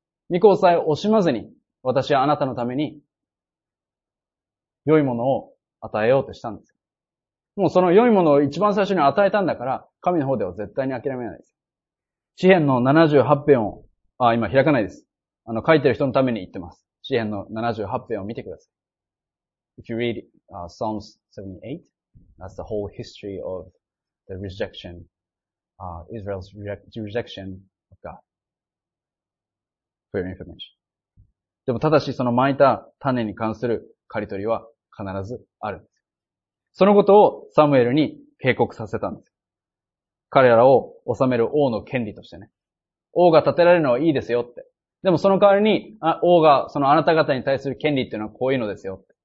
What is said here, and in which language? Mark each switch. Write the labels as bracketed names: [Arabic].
[Japanese] 御子をさえ惜しまずに、私はあなたのために良いものを与えようとしたんです。もうその良いものを一番最初に与えたんだから、神の方では絶対に諦めないです。詩編の78編を、今開かないです。書いてる人のために言ってます。詩編の78編を見てください。 [English] If you read Psalms 78, that's the whole history of the rejection, Israel's rejection of God. For your information. [Japanese] でもただしその蒔いた種に関する刈り取りは必ずあるんです。そのことをサムエルに警告させたんです。彼らを治める王の権利としてね。王が立てられるのはいいですよって。でもその代わりに、王がそのあなた方に対する権利っていうのはこういうのですよ。